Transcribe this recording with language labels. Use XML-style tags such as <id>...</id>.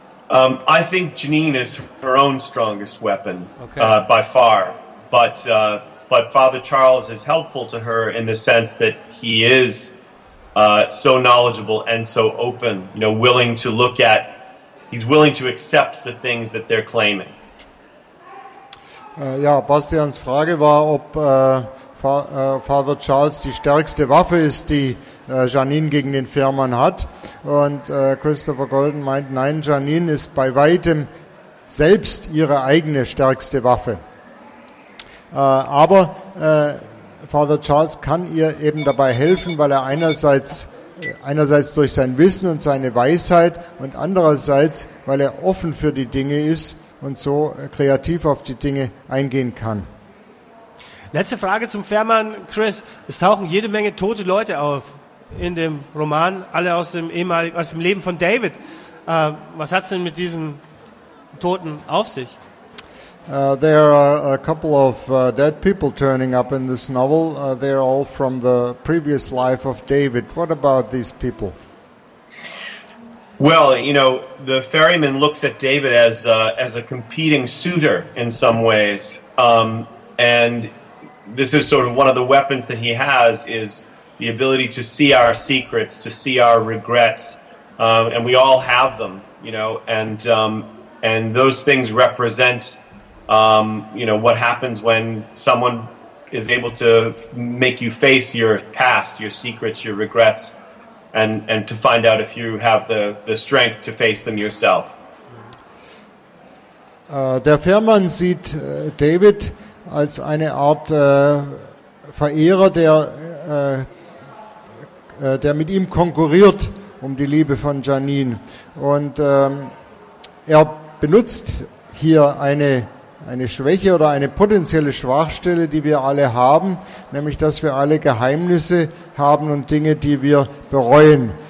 <en>I think Janine is her own strongest weapon, okay. By far. But Father Charles is helpful to her in the sense that he is so knowledgeable and so open, you know, willing to look at, he's willing to accept the things that they're claiming.</en> <de>Ja, Bastians Frage war, ob Father Charles die stärkste Waffe ist, die Janine gegen den Fährmann hat. Und Christopher Golden meint, nein, Janine ist bei weitem selbst ihre eigene stärkste Waffe. Aber Father Charles kann ihr eben dabei helfen, weil er einerseits durch sein Wissen und seine Weisheit und andererseits, weil er offen für die Dinge ist, und so kreativ auf die Dinge eingehen kann. Letzte Frage zum Fährmann, Chris. Es tauchen jede Menge tote Leute auf in dem Roman, alle aus dem Leben von David. Was hat es denn mit diesen Toten auf sich?</de> <en>There are a couple of dead people turning up in this novel. They're all from the previous life of David. What about these people? Well, you know, the ferryman looks at David as a competing suitor in some ways. And this is sort of one of the weapons that he has, is the ability to see our secrets, to see our regrets. And we all have them, you know, and those things represent, you know, what happens when someone is able to make you face your past, your secrets, your regrets, and to find out if you have the strength to face them yourself.</en> <de>Der Fährmann sieht David als eine Art Verehrer, der mit ihm konkurriert um die Liebe von Janine. Und er benutzt hier eine Schwäche oder eine potenzielle Schwachstelle, die wir alle haben, nämlich dass wir alle Geheimnisse haben und Dinge, die wir bereuen.</de>